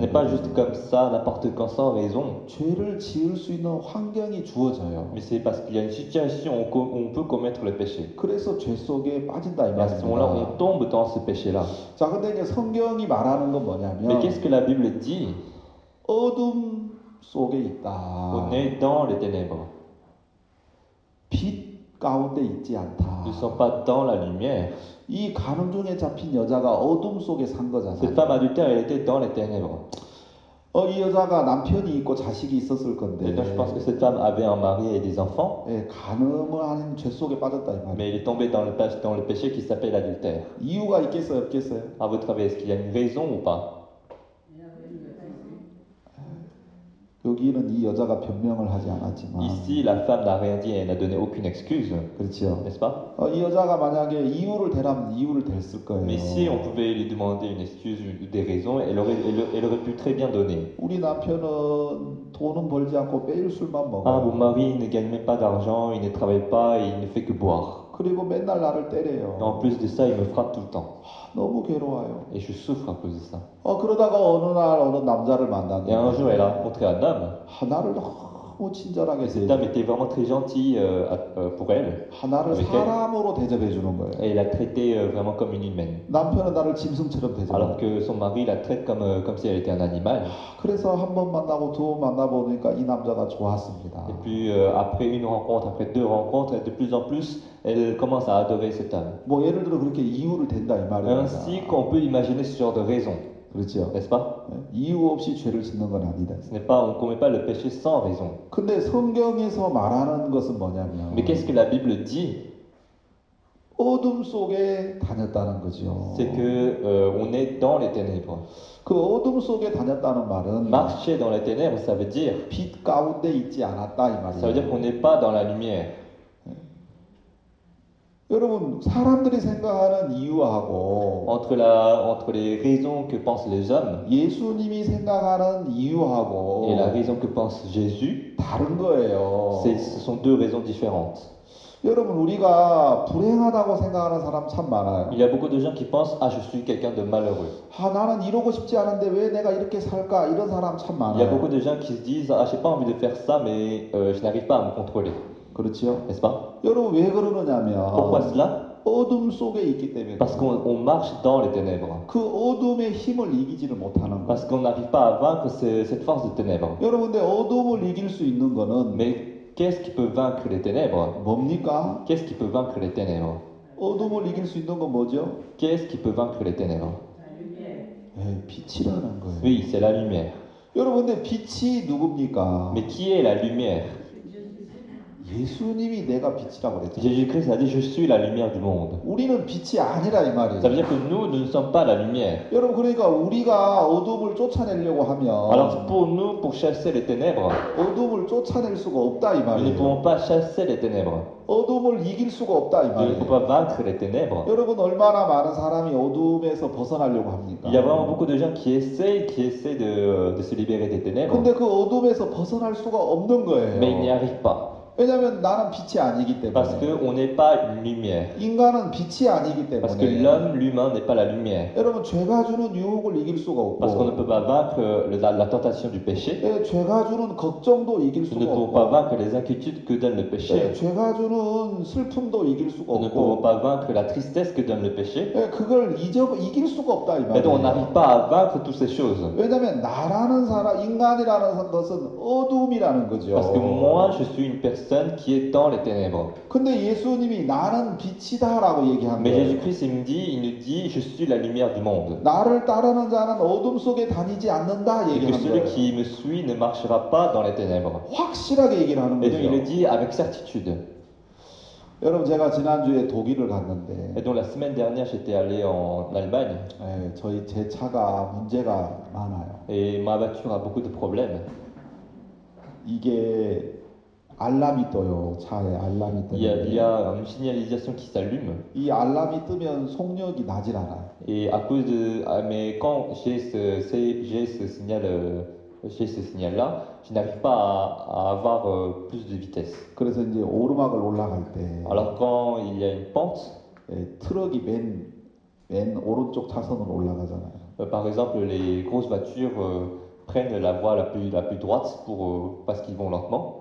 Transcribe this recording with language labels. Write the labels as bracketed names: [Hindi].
[French] N'est pas juste comme ça, n'importe quand, sans raison. [Korean] 죄를 지을 수 있는 환경이 주어져요. [French] Mais c'est parce qu'il y a une situation où on peut commettre le péché. [Korean] 그래서 죄 속에 빠진다 이 말입니다. [French] Là, on tombe dans ce péché-là. [Korean] 자, 근데 이제 성경이 말하는 건 뭐냐면, [French] Mais qu'est-ce que la Bible dit? [Korean] 어둠 속에 있다. [French] On est dans les ténèbres. [Korean] 빛 가운데 있지 않다. [French] Nous sommes pas dans la lumière. [Korean] 이 가늠중에 잡힌 여자가 어둠 속에 산 거잖아요. [French] Cette femme adultère était dans les ténèbres. [Korean] 이 여자가 남편이 있고 자식이 있었을 건데. [French] Donc, je pense que cette femme avait un mari et des enfants. [Korean] 가늠을 하는 죄 속에 빠졌다 이 말이야. [French] Mais elle est tombée dans le péché qui s'appelle l'adultère. [Korean] 이유가 있겠어요, 없겠어요? [French] À votre avis, est-ce qu'il y a une raison ou pas? [Korean] 여기는 이 여자가 변명을 하지 않았지만. [French] Ici, la femme n'a rien dit et n'a donné aucune excuse. [Korean] 그렇죠. [French] N'est-ce pas? [Korean] 이 여자가 만약에 이유를 대라면 이유를 댔을 거예요. [French] Mais si on pouvait lui demander une excuse ou des raisons, elle aurait pu très bien donner. [Korean] 우리 남편은 돈은 벌지 않고 매일 술만 먹어. [French] Ah, mon mari ne gagne même pas d'argent, il ne travaille pas, il ne fait que boire. [Korean] 그리고 맨날 나를 때려요. [French] En plus de ça, il me frappe tout le temps. [Korean] 너무 괴로워요. [French] Et je souffre à cause de ça. [Korean] 그러다가 어느 날 어느 남자를 만났는데. [French] Et un jour, elle a rencontré un homme. [Korean] 나를 너무 친절하게. [French] Cette dame était vraiment très gentille pour elle. [Korean] 나를 사람으로 대접해 주는 거예요. [French] Et elle a traité vraiment comme une humaine. [Korean] 남편은 나를 짐승처럼 대접. [French] Alors que son mari la traite comme si elle était un animal. [Korean] 그래서 한 번 만나고 두 번 만나보니까 이 남자가 좋았습니다. [French] Et puis après une rencontre, après deux rencontres, de plus en plus. Elle commence à adorer cet homme. [Korean] 뭐 예를 들어 그렇게 이유를 댄다 이 말이야. [French] Ainsi qu'on peut imaginer ce genre de raison. [Korean] 그렇죠. [French] N'est-ce pas? [Korean] 이유 없이 죄를 짓는 건 아니다. [French] Ce n'est pas on commet pas le péché sans raison. [Korean] 근데 성경에서 말하는 것은 뭐냐면. [French] Mais qu'est-ce que la Bible dit? [Korean] 어둠 속에 다녔다는 거죠. [French] C'est que on est dans les ténèbres. [Korean] 그 어둠 속에 다녔다는 말은 [French] marcher dans les ténèbres, ça veut dire [Korean] 빛 가운데 있지 않았다 이 말이야. [French] Ça veut dire qu'on n'est pas dans la lumière. [Korean] 여러분 사람들이 생각하는 이유하고 [French] entre les raisons que pensent les hommes [Korean] 예수님이 생각하는 이유하고 [French] et la raison que pense Jésus [Korean] 다른 거예요. [French] Ce sont deux raisons différentes. [Korean] 여러분 우리가 불행하다고 생각하는 사람 참 많아요. [French] Il y a beaucoup de gens qui pensent ah je suis quelqu'un de malheureux. [Korean] 아 나는 이러고 싶지 않은데 왜 내가 이렇게 살까 이런 사람 참 많아요. [French] Il y a beaucoup de gens qui se disent ah j'ai pas envie de faire ça mais je n'arrive pas à me contrôler. [Korean] 그렇죠. [French] N'est-ce pas? [Korean] 여러분 왜 그러느냐면 [French] Pourquoi cela? [Korean] 어둠 속에 있기 때문에. [French] Parce qu'on marche dans les ténèbres. [Korean] 그 어둠의 힘을 이기지를 못하는 거. [French] Parce qu'on n'arrive pas à vaincre cette force de ténèbres. [Korean] 여러분 근데 어둠을 이길 수 있는 거는 [French] Mais Qu'est-ce qui peut vaincre les ténèbres? [Korean] 뭡니까? [French] Qu'est-ce qui peut vaincre les ténèbres? [Korean] 어둠을 이길 수 있는 건 뭐죠? [French] Qu'est-ce qui peut vaincre les ténèbres? La lumière. [Korean] 빛이라는 거예요. [French] Oui, c'est la lumière. [Korean] 여러분들 빛이 누굽니까? [French] Mais qui est la lumière? [Korean] 예수님이 내가 빛이라고 그랬죠. [French] Jésus-Christ a dit je suis la lumière du monde. [Korean] 우리는 빛이 아니라 이 말이에요. [French] Ça veut dire que nous ne sommes pas la lumière. [Korean] 여러분 그러니까 우리가 어둠을 쫓아내려고 하면 [French] Alors pour nous pour chasser les ténèbres. [Korean] 어둠을 쫓아낼 수가 없다 이 말이에요. [French] Nous ne pouvons pas chasser les ténèbres. [Korean] 어둠을 이길 수가 없다 이 말이에요. [French] Nous ne pouvons pas vaincre les ténèbres. [Korean] 여러분 얼마나 많은 사람이 어둠에서 벗어나려고 합니까? [French] Il y a vraiment beaucoup de gens qui essaient de se libérer des ténèbres. [Korean] 근데 그 어둠에서 벗어날 수가 없는 거예요. [French] Mais ils n'y arrivent pas. [Korean] 왜냐면 나는 빛이 아니기 때문에. [French] Parce que on n'est pas lumière. [Korean] 인간은 빛이 아니기 때문에. [French] Parce que l'homme, l'humain n'est pas la lumière. [Korean] 여러분 죄가 주는 유혹을 이길 수가 없고. [French] Parce qu'on ne peut pas vaincre la tentation du péché. [Korean] 예, 죄가 주는 걱정도 이길 수가 없고. [French] On ne peut pas vaincre les inquiétudes que donne le péché. [Korean] 예, 죄가 주는 슬픔도 이길 수가 없고. [French] On ne peut pas vaincre la tristesse que donne le péché. [Korean] 예, 그걸 이길 수가 없다 이 말이에요. [French] Mais on n'arrive pas à vaincre toutes ces choses. [Korean] 왜냐면 나라는 사람, 인간이라는 것은 어둠이라는 거죠. [French] Parce que moi, je suis une personne. Qui est dans les ténèbres. [Korean] 근데 예수님이 나는 빛이다라고 얘기한 [French] Mais Jésus-Christ il nous dit je suis la lumière du monde. [Korean] 나를 따르는 자는 어둠 속에 다니지 않는다 얘기한 거예요. [French] Celui qui me suit ne marchera pas dans les ténèbres. [Korean] 확실하게 얘기를 하는 거예요. [French] Et donc il le dit avec certitude. [Korean] 여러분 제가 지난주에 독일을 갔는데 [French] Et donc la semaine dernière j'étais allé en Allemagne. [Korean] 예, 저희 제 차가 문제가 많아요. [French] Et ma voiture a beaucoup de problèmes. [Korean] 이게 알람이 떠요. 차에 알람이 뜨는데. [French] Il y a une signalisation qui s'allume. [Korean] 이 알람이 뜨면 속력이 나질 않아. [French] Et à cause de mais quand j'ai ce signal là, je n'arrive pas à avoir plus de vitesse. [Korean] 그래서 이제 오르막을 올라갈 때. [French] Alors quand il y a une pente, [Korean] 예, 트럭이 맨 오른쪽 차선으로 올라가잖아요. [French] Par exemple les grosses voitures prennent la voie la plus droite pour parce qu'ils vont lentement.